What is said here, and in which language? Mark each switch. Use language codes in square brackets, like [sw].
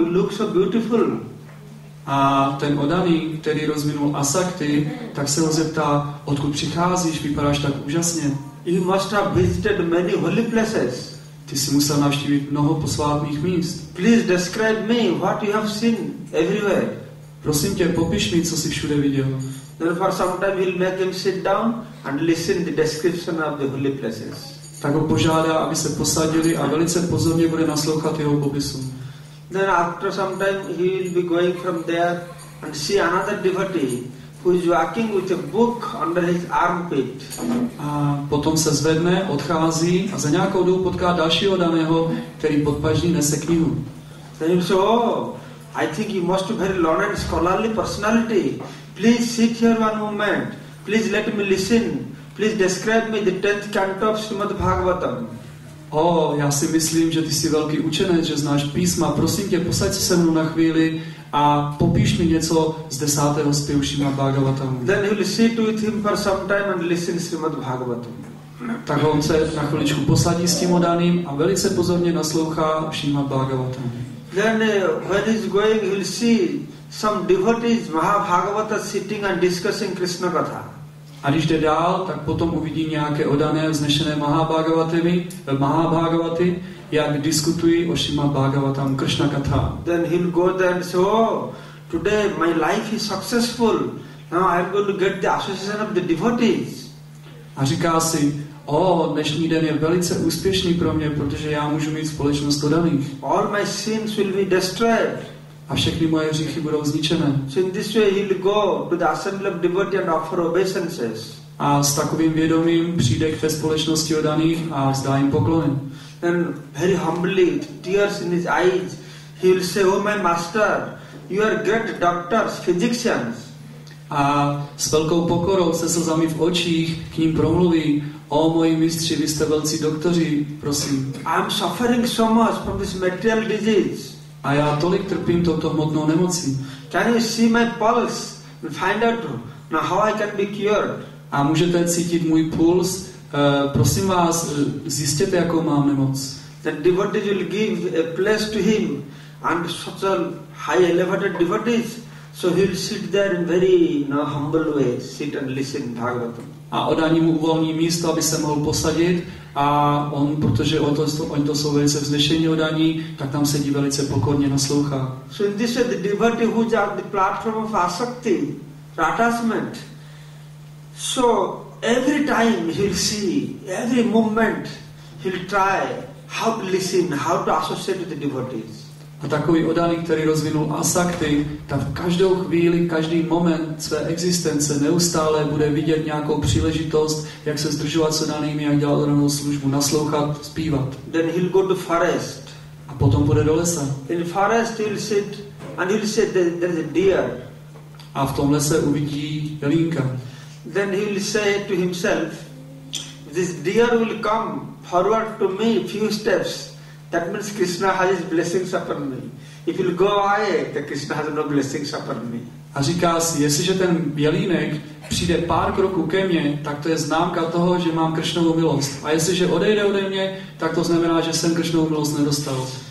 [en] You look so beautiful. [cs] A ten odaný, který rozvinul asakti, tak se ho zeptá, odkud přicházíš, vypadáš tak úžasně. [en] You must have visited many holy places. [cs] Ty jsi musel navštívit mnoho posvátných míst. [en] Please describe me what you have seen everywhere. [cs] Prosím tě, popiš mi, co jsi všude viděl. [en] Then for some time we'll make him sit down and listen the description of the holy places. [cs] Tak ho požádá, aby se posadili a velice pozorně bude naslouchat jeho popisu. [en] Then after some time he will be going from there and see another devotee who is walking with a book under his armpit. [cs] A potom se zvedne, odchází a za nějakou dobu potká dalšího daného, který pod paží nese knihu. [en] Then he will say, oh, I think you must have a very learned scholarly personality. Please sit here one moment. Please let me listen. Please describe me the 10th canto of Srimad Bhagavatam. [cs] O, já si myslím, že ty jsi velký učenec, že znáš písma. Prosím tě, posaď se se mnou na chvíli a popíš mi něco z 10. zpěvu Srimad Bhagavatam. [en] Then he will sit with him for some time and listen Srimad Bhagavatam. [cs] Tak on se na chviličku posadí s tím odaným a velice pozorně naslouchá Srimad Bhagavatam. [en] Then when he's going, he will see some devotees Mahabhagavata sitting and discussing Krishna Katha. [cs] A když jde dál, tak potom uvidí nějaké odané vznešené Mahabhagavaty, jak diskutují o Srimad Bhagavatam Krishna Katha. [en] Then he'll go there and say, oh, today my life is successful. Now I'm going to get the association of the devotees. [cs] A říká si, dnešní den je velice úspěšný pro mě, protože já můžu mít společnost dodaných. [en] All my sins will be destroyed. [cs] A všechny moje hříchy budou zničené. [en] So in this way he'll go to the assembly of devotees and offer obeisances. [cs] A s takovým vědomím přijde k té společnosti oddaných a vzdá jim poklony. [en] Then very humbly, tears in his eyes, he'll say, "Oh my master, you are great doctors, physicians." [cs] A s velkou pokorou se slzami v očích k ním promluví: "O moji mistři, vy jste velcí doktoři, prosím." [en] I'm suffering so much from this material disease. [cs] A já tolik trpím touto hmotnou nemocí. [en] Can you see my pulse and find out now how I can be cured? [cs] A můžete cítit můj puls? Prosím vás, zjistěte, jakou mám nemoc. [en] The devotees will give a place to him and such a high elevated devotees, so he'll sit there in very humble way, sit and listen Bhagavatam. [cs] A oddaní mu uvolní místo, aby se mohl posadit, a on, protože oni to jsou velice vznešení oddaní, tak tam sedí velice pokorně, naslouchá. [en] So in this way, the devotee who's on the platform of asakti, attachment, so every time he'll see, every moment he'll try how to listen, how to associate with the devotees. [cs] A takový oddaný, který rozvinul asakti, tak v každou chvíli, každý moment své existence neustále bude vidět nějakou příležitost, jak se zdržovat s oddanými, jak dělat danou službu, naslouchat, zpívat. [en] Then he'll go to forest. [cs] A potom bude do lesa. [en] In forest he'll sit and he'll say there's a deer. [cs] A v tom lese uvidí jelínka. [en] Then he'll say to himself, this deer will come forward to me few steps. That means Krishna has his blessings upon me. If he'll go away, then Krishna has no blessings upon me. [cs] A říká si, jestliže ten bělínek přijde pár kroků ke mně, tak to je známka toho, že mám Krishnovu milost. A jestliže odejde ode mě, tak to znamená, že jsem Krishnovu milost nedostal.